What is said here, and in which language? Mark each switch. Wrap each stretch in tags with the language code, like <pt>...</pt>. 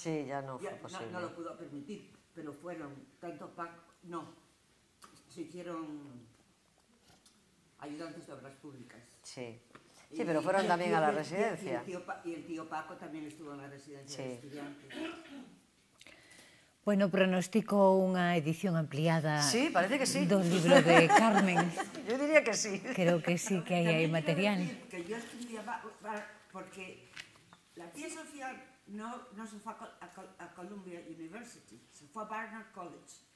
<es>sí, ya no, fue posible. No lo pudo permitir, pero fueron tanto Paco, no, se hicieron ayudantes de obras públicas. Sí, sí, pero fueron también a la residencia. Y el tío Paco también estuvo en la residencia sí. de estudiantes.</es> <gl>Bueno, pronostico unha edición ampliada</gl> <es>sí, parece que sí.</es> <gl>do libro de Carmen.</gl> <es>Yo diría que sí. Creo que sí, que hay ahí material. Decir que yo escribía porque la pieza final no se fue a Columbia University, se fue a Barnard College.</es>